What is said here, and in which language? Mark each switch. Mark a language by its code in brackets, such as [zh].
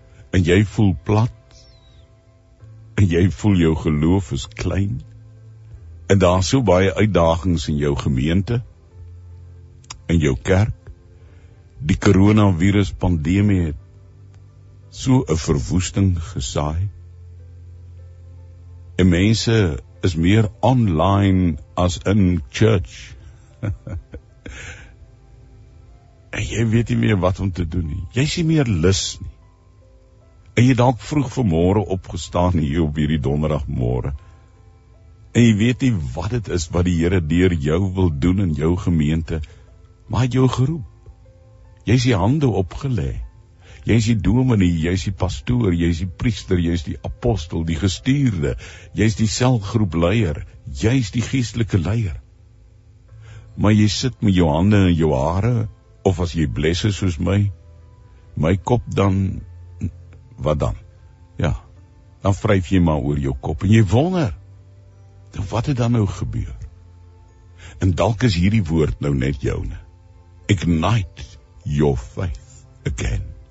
[af] En jy voel plat, en jy voel jou geloof is klein, en daar is so baie uitdagings in jou gemeente, in jou kerk, die coronavirus pandemie het, so 'n verwoesting gesaai. En mense is meer online as in church. En jy weet nie meer wat om te doen nie. Jy is nie meer lus nie. En jy dalk vroeg vanmôre opgestaan hier op hierdie donderdagmôre. En jy weet nie wat dit is wat die Here deur jou wil doen in jou gemeente, maar hy het jou geroep. Jy is die hande opgelê. Jy is die dominee, jy is die pastoor, jy is die priester, jy is die apostel, die gestuurde, jy is die selgroepleier, jy is die geestelike leier. Maar jy sit met jou hande in jou hare, of as jy blesse soos my, my kop dan, wat dan? Ja, dan wryf jy maar oor jou kop en jy wonder, wat het dan nou gebeur? En dalk is hierdie woord nou net joune. [en] Ignite your faith again.